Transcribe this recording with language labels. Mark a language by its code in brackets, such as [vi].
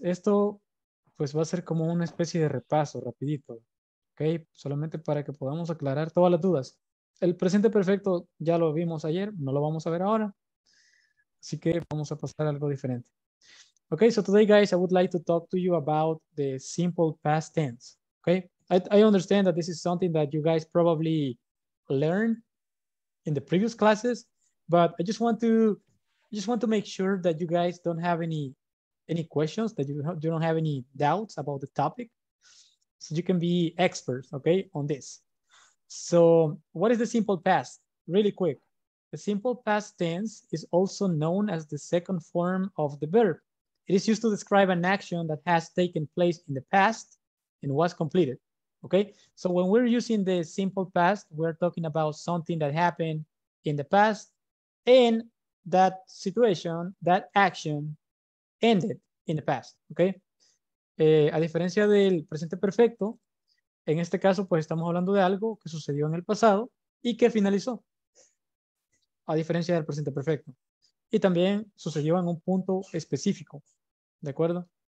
[es] Esto pues va a ser como una especie de repaso rapidito. Okay. Solamente para que podamos aclarar todas las dudas. El presente perfecto ya lo vimos ayer. No lo vamos a ver ahora. Así que vamos a pasar a algo diferente. [en] Okay. So today, guys, I would like to talk to you about the simple past tense. Okay. I understand that this is something that you guys probably learned in the previous classes. But I just want to make sure that you guys don't have any questions, that you don't have any doubts about the topic, so you can be experts, okay, on this. So what is the simple past? Really quick, the simple past tense is also known as the second form of the verb. It is used to describe an action that has taken place in the past and was completed, okay? So when we're using the simple past, we're talking about something that happened in the past. In that situation, that action ended in the past, okay? [es] A diferencia del presente perfecto, en este caso, pues estamos hablando de algo que sucedió en el pasado y que finalizó, a diferencia del presente perfecto. Y también sucedió en un punto específico, ¿de acuerdo?